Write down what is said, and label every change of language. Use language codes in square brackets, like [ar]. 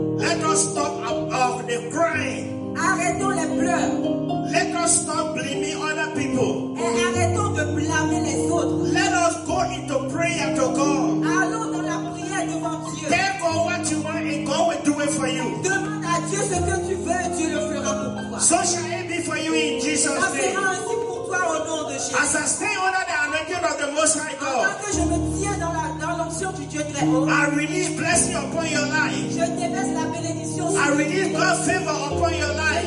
[en] Let us stop of the crying. [fr] Arrêtons les pleurs. [en] Let us stop blaming other people. [fr] Et arrêtons de blâmer les autres. [en] Let us go into prayer to God. [fr] Allons dans la prière devant Dieu. [en] Pray for what you want and God will do it for you. [fr] Dieu, ce que tu veux, Dieu le fera pour toi. [en] So shall it be for you in Jesus' name. [fr] Ça sera ainsi pour toi au nom de Jésus. [en] As I stay under the anointing of the Most High God. [fr] Alors que je me tiens dans l'onction du Dieu très haut. [en] I release blessing upon your life. [fr] Je déverse la bénédiction sur toi. [en] I release God's favor upon your life.